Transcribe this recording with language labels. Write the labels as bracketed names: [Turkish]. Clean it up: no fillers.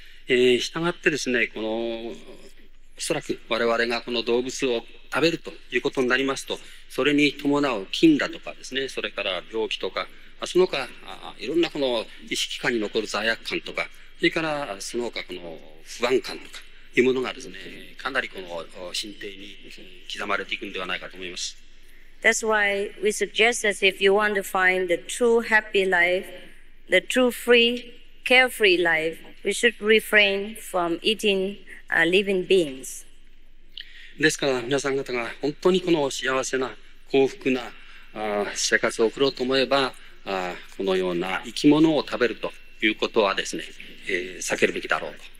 [Japanese] したがってですね、このおそらく我々がこの動物を食べるということになりますと、それに伴う菌だとかですね、それから病気とか、その他いろんなこの意識下に残る罪悪感とか、それからその他この不安感とかいうものがですね、かなりこの心底に刻まれていくのではないかと思います。 [English] That's why we suggest that if you want to find the true happy life, the true free, carefree life, we should refrain from eating living beings. [Japanese] ですから皆さん方が本当にこの幸せな幸福な生活を送ろうと思えば、このような生き物を食べるということはですね、避けるべきだろうと。